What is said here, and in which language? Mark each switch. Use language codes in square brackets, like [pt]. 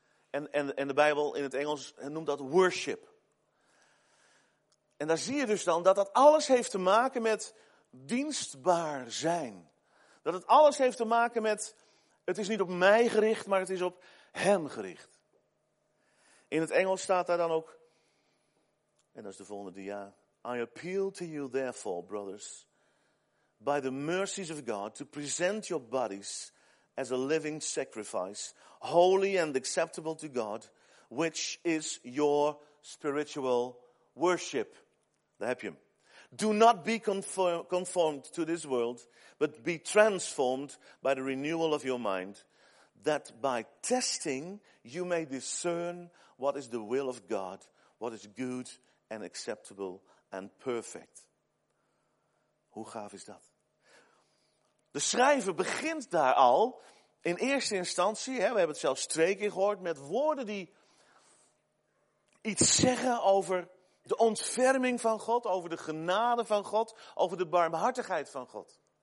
[nl] En de Bijbel in het Engels noemt dat worship. En daar zie je dus dan dat dat alles heeft te maken met dienstbaar zijn. Dat het alles heeft te maken met, het is niet op mij gericht, maar het is op hem gericht. In het Engels staat daar dan ook, en dat is de volgende dia. [en] I appeal to you therefore, brothers, by the mercies of God, to present your bodies as a living sacrifice, holy and acceptable to God, which is your spiritual worship. [nl] Daar heb je hem. [en] Do not be conformed to this world, but be transformed by the renewal of your mind, that by testing you may discern what is the will of God, what is good and acceptable and perfect. [nl] Hoe gaaf is dat? De schrijver begint daar al, in eerste instantie, hè, we hebben het zelfs twee keer gehoord, met woorden die iets zeggen over de ontferming van God, over de genade van God, over de barmhartigheid van God.